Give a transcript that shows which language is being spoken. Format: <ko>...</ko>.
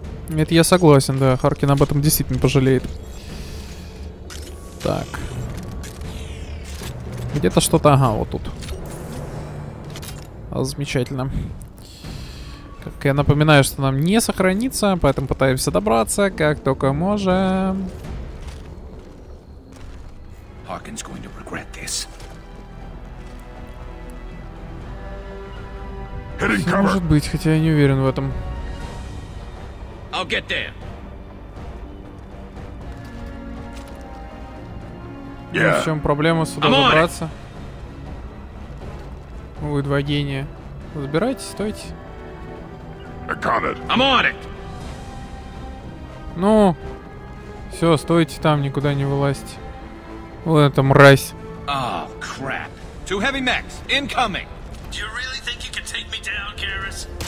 <ru>Это я согласен, да, Харкин об этом действительно пожалеет. Так. Где-то что-то, ага, вот тут. Замечательно. Как я напоминаю, что нам не сохранится, поэтому пытаемся добраться, как только можем.</ru> <en>Харкин's going to regret this.</en> <ru>Все может быть, хотя я не уверен в этом.</ru> <en>I'll get there. Yeah.</en> <ru>В чем проблема сюда добраться? Вы два гения. Забирайтесь, стойте.</ru> <en>I'm on it.</en> <ru>Ну, все, стойте там, никуда не вылазьте. Вот эта мразь.</ru> <en>Oh, crap. Two heavy mechs incoming. Do you really think you can take me down, Karras?</en>